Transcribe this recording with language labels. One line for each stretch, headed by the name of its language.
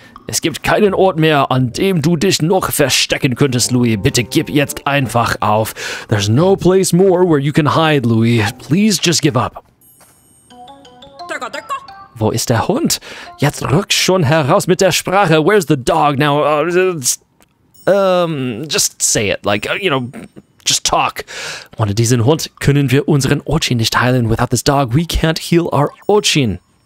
German: Es gibt keinen Ort mehr, an dem du dich noch verstecken könntest, Louis. Bitte gib jetzt einfach auf.
English: There's no place more where you can hide, Louis. Please just give up.
German: Wo ist der Hund? Jetzt rück schon heraus mit der Sprache.
English: Where's the dog now? Just say it. Like, you know, just talk.
German: Ohne diesen Hund können wir unseren Ochin nicht heilen.
English: Without this dog, we can't heal our Ochin.